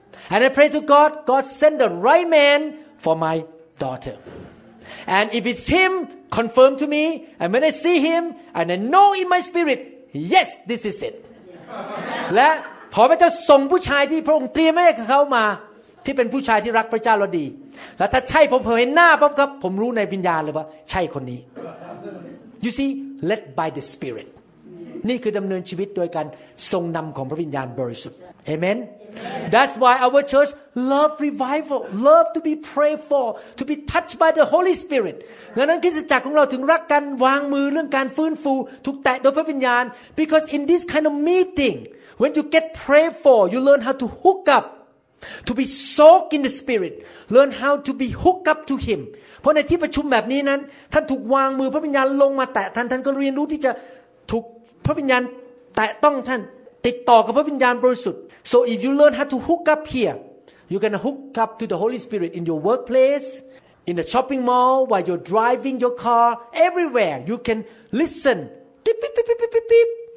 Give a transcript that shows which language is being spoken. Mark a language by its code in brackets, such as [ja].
[en] And I pray to God, God send the right man for my daughter. And if it's him, confirm to me. And when I see him, and I know in my spirit, yes, this is it. [th] และพอพระเจ้าส่งผู้ชายที่พระองค์เตรียมให้เขามาที่เป็นผู้ชายที่รักพระเจ้าเราดีและถ้าใช่ผมเห็นหน้าปุ๊บครับผมรู้ในวิญญาณเลยว่าใช่คนนี้ [en] You see, led by the Spirit. [th] นี่คือดำเนินชีวิตโดยการทรงนำของพระวิญญาณบริสุทธิ์Amen. [en] That's why our church love revival, love to be prayed for, to be touched by the Holy Spirit. [th] นั้นคริสตจักรของเราถึงรักกันวางมือเรื่องการฟื้นฟูถูกแตะโดยพระวิญญาณ [en] because in this kind of meeting when you get prayed for you learn how to hook up to be soaked in the spirit learn how to be hooked up to him [th] เพราะในที่ประชุมแบบนี้นั้นท่านถูกวางมือพระวิญญาณลงมาแตะท่านก็เรียนรู้ที่จะถูกพระวิญญาณแตะต้องท่านติดต่อกับพระวิญญาณบริสุทธิ์ [en] so if you learn how to hook up here you're gonna hook up to the Holy Spirit in your workplace in the shopping mall while you're driving your car everywhere you can listen beep beep beep beep beep beep